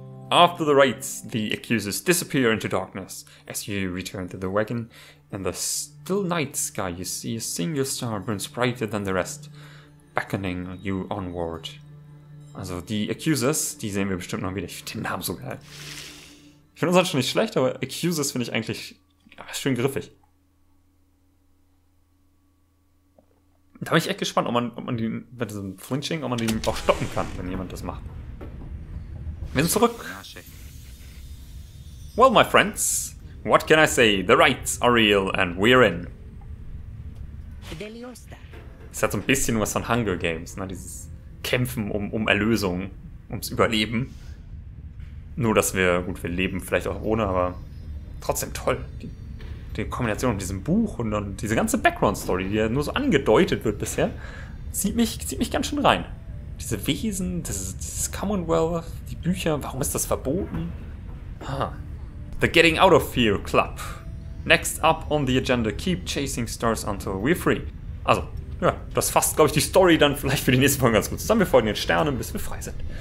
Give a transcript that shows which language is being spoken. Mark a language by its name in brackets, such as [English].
[English] After the raids, the accusers disappear into darkness. As you return to the wagon, in the still night sky, you see a single star burns brighter than the rest, beckoning you onward. [German] Also die Accusers, die sehen wir bestimmt noch wieder. Ich finde den Namen so geil. Ich finde uns schon nicht schlecht, aber Accusers finde ich eigentlich schön griffig. Da bin ich echt gespannt, ob man den bei diesem Flinching, ob man den auch stoppen kann, wenn jemand das macht. Wir sind zurück. [English] Well, my friends, what can I say? The rights are real and we're in. [German] Es hat so ein bisschen was von Hunger Games, ne? Dieses Kämpfen um Erlösung, ums Überleben. Nur, dass wir, gut, wir leben vielleicht auch ohne, aber trotzdem toll. Die Kombination mit diesem Buch und dann diese ganze Background-Story, die ja nur so angedeutet wird bisher, zieht mich ganz schön rein. Diese Wesen, dieses Commonwealth, die Bücher, warum ist das verboten? [English] The Getting Out of Fear Club. Next up on the agenda, keep chasing stars until we're free. [German] Also, ja, das fasst, glaube ich, die Story dann vielleicht für die nächste Folge ganz gut zusammen. Wir folgen den Sternen, bis wir frei sind.